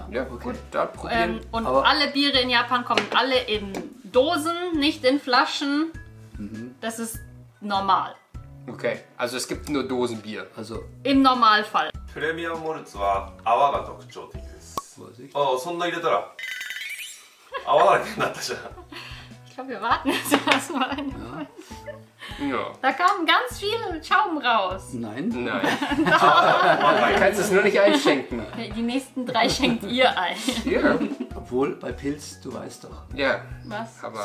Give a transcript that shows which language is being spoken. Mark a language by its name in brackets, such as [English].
[German] Ja, okay. Gut, da probieren. Und aber alle Biere in Japan kommen alle in Dosen, nicht in Flaschen. Das ist normal. Okay, also es gibt nur Dosenbier. Also im Normalfall. Premium Malz war aber ganz besonders. [Japanese] そんな入れたら 泡だらけになったじゃん。 [German] Ich glaube, wir warten jetzt erstmal. Ja. Da kam ganz viel Schaum raus. Nein. Nein. Man kann es nur nicht einschenken. Die nächsten drei schenkt ihr ein. Yeah. Obwohl, bei Pilz, du weißt doch. Ja. Yeah. Was?